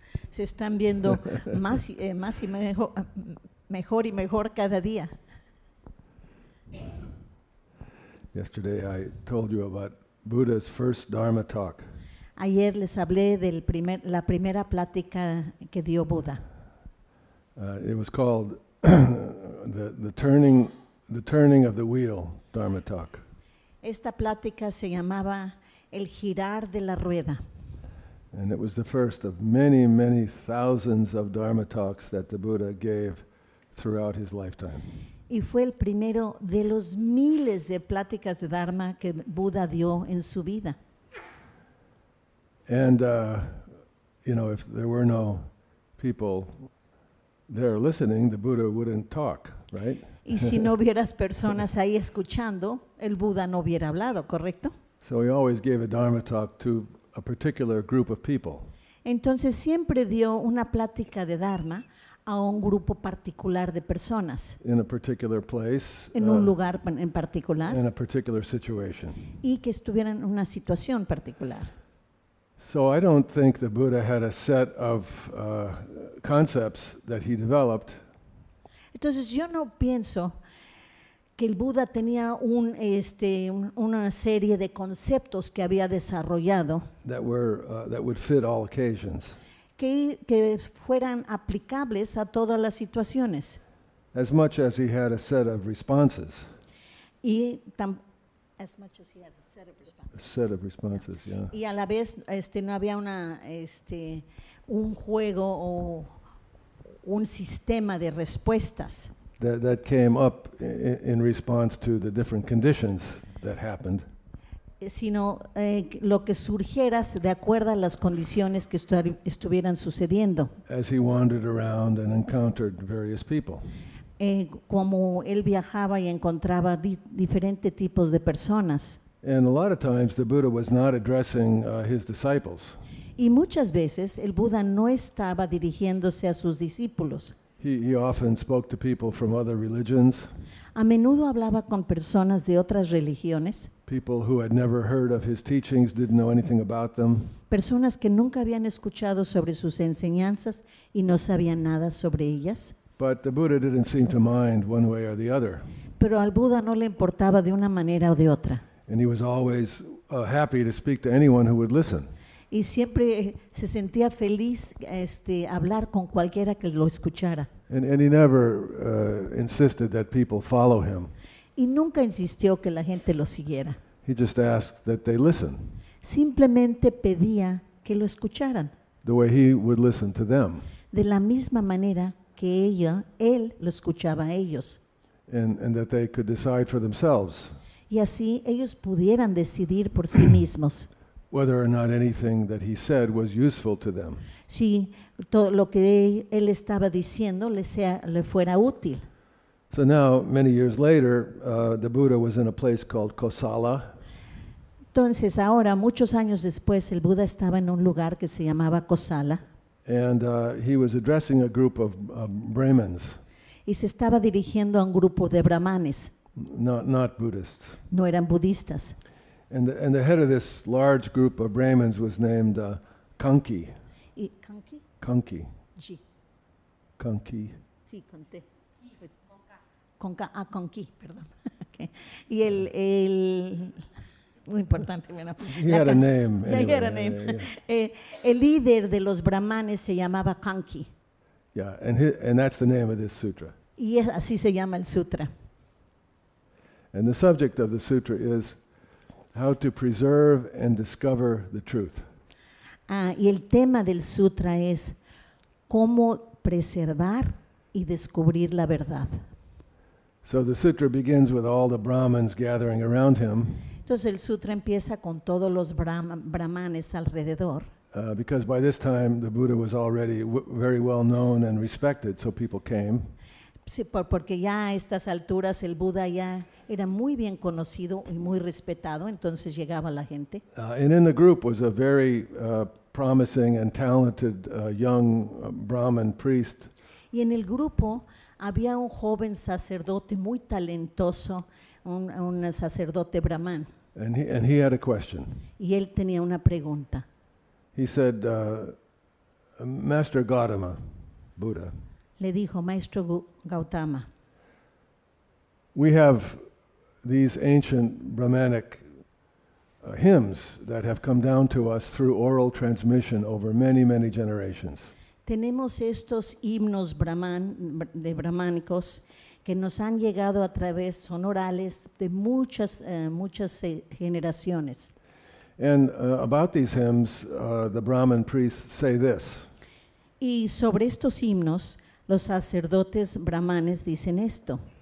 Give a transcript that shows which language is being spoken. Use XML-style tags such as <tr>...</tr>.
<es>Se están viendo más más y mejor, mejor y mejor cada día.</es> <en>Yesterday I told you about Buddha's first Dharma talk.</en> <es>Ayer les hablé del primer la primera plática que dio Buda.</es> <en>It was called the turning of the wheel Dharma talk.</en> <es>Esta plática se llamaba el girar de la rueda.</es> <en>And it was the first of many, many thousands of Dharma talks that the Buddha gave throughout his lifetime.</en> <es>Y fue el primero de los miles de pláticas de Dharma que Buda dio en su vida.</es> <en>And, you know, if there were no people there listening, the Buddha wouldn't talk, right?</en> <es>Y si no hubieras personas ahí escuchando, el Buda no hubiera hablado, ¿correcto?</es> <en>So he always gave a Dharma talk to a particular group of people.</en> <es>Entonces siempre dio una plática de Dharma a un grupo particular de personas.</es> <en>In a particular place.</en> <es>En un lugar en particular.</es> <en>In a particular situation.</en> <es>Y que estuvieran en una situación particular.</es> <en>So I don't think the Buddha had a set of concepts that he developed.</en> <es>Entonces yo no pienso que el Buda tenía un una serie de conceptos que había desarrollado</es> <en>that were, that would fit all occasions.</en> <es>Que fueran aplicables a todas las situaciones.</es> <en>As much as he had a set of responses. Y as much as he had a set of responses. A set of responses, yeah.</en> <es>Y a la vez no había una un juego o un sistema de respuestas.</es> <en>That came up in response to the different conditions that happened.</en> <es>Sino lo que surgiera de acuerdo a las condiciones que estuvieran sucediendo.</es> <en>As he wandered around and encountered various people.</en> <es>Como él viajaba y encontraba diferentes tipos de personas.</es> <en>And a lot of times the Buddha was not addressing his disciples.</en> <es>Y muchas veces el Buda no estaba dirigiéndose a sus discípulos.</es> <en>He often spoke to people from other religions.</en> <es>A menudo hablaba con personas de otras religiones.</es> <en>People who had never heard of his teachings, didn't know anything about them.</en> <es>Personas que nunca habían escuchado sobre sus enseñanzas y no sabían nada sobre ellas.</es> <en>But the Buddha didn't seem to mind one way or the other.</en> <es>Pero al Buda no le importaba de una manera o de otra.</es> <en>And he was always happy to speak to anyone who would listen.</en> <es>Y siempre se sentía feliz hablar con cualquiera que lo escuchara.</es> <en>And he never insisted that people follow him.</en> <es>Y nunca insistió que la gente lo siguiera.</es> <en>He just asked that they listen.</en> <es>Simplemente pedía que lo escucharan.</es> <en>The way he would listen to them.</en> <es>De la misma manera que él lo escuchaba a ellos.</es> <en>And that they could decide for themselves.</en> <es>Y así ellos pudieran decidir por sí mismos.</es> <en>Whether or not anything that he said was useful to them.</en> <es>Si todo lo que él estaba diciendo le fuera útil.</es> <en>So now, many years later, the Buddha was in a place called Kosala.</en> <es>Entonces ahora, muchos años después, el Buda estaba en un lugar que se llamaba Kosala.</es> <en>And he was addressing a group of Brahmins.</en> <es>Y se estaba dirigiendo a un grupo de brahmanes.</es> <en>Not Buddhists.</en> <es>No eran budistas.</es> <en>And the head of this large group of Brahmins was named Kanki.</en> <es>Kanki?</es> <en>Kanki. G. Kanki.</en> <es>Sí, con T. Kanki, perdón. Okay. Y el muy importante, bueno.</es> <en>He had a name.</en> <es>El líder de los brahmanes se llamaba Kanki.</es> <en>Yeah, and that's the name of this sutra.</en> <es>Y así se llama el sutra.</es> <en>And the subject of the sutra is how to preserve and discover the truth.</en> <es>Y el tema del sutra es cómo preservar y descubrir la verdad.</es> <en>So the sutra begins with all the Brahmins gathering around him.</en> <es>Entonces el sutra empieza con todos los brahmanes alrededor.</es> <en>Because by this time the Buddha was already very well known and respected, so people came.</en> <es>Sí, porque ya a estas alturas el Buda ya era muy bien conocido y muy respetado, entonces llegaba la gente.</es> <en>And in the group was a very promising and talented young Brahmin priest.</en> <es>Y en el grupo había un joven sacerdote muy talentoso, un sacerdote brahman.</es> <en>And he had a question.</en> <es>Y él tenía una pregunta.</es> <en>He said, Master Gautama, Buddha.</en> <es>Le dijo, Maestro Gautama.</es> <en>We have these ancient Brahmanic hymns that have come down to us through oral transmission over many, many generations.</en> <es>Tenemos estos himnos brahmánicos que nos han llegado a través son orales de muchas muchas generaciones.</es> <en>And about these hymns, the Brahmin priests say this.</en> <es>Y sobre estos himnos, los sacerdotes brahmanes dicen esto.</es>